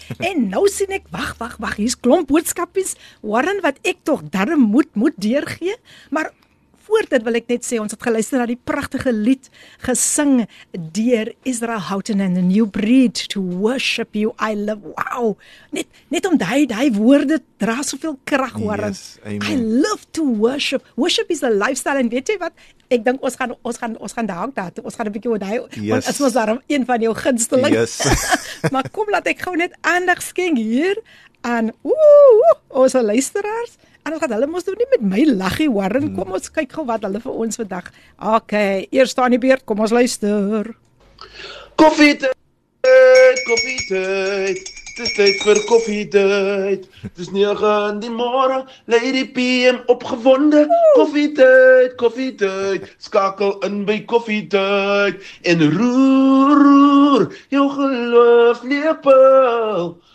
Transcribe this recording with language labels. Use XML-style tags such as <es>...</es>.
<af>En nou sien ek wag, hier's klomp boodskapies. Warren, wat ek tog darm moet deurgee, maar voor dit wil ek net sê ons het geluister na die pragtige lied gesing deur Israel Houghton and the New Breed To Worship You I Love. Wow. Net om daai woorde dra soveel krag hoor.</af> <en>Yes, I love to worship. Worship is a lifestyle</en> <af>en weet jy wat? Ek dink ons gaan daar hang daar. Ons gaan 'n bietjie oor daai want is mos daar een van jou gunsteling.</af> <en>Yes.</en> <af>Maar kom laat ek gou net aandag skenk hier aan ons luisteraars. En ons gaat hulle moes doen nie met my laggie Warren. Kom ons kyk gou wat hulle vir ons vandag. Okay, eers staan die beurt. Kom ons luister. Koffietyd. Dis tyd vir koffietyd. Dis 9:00 die môre. Lady PM opgewonde. Koffietyd. Skakel in by koffietyd en roer jou geloofslepel.</af>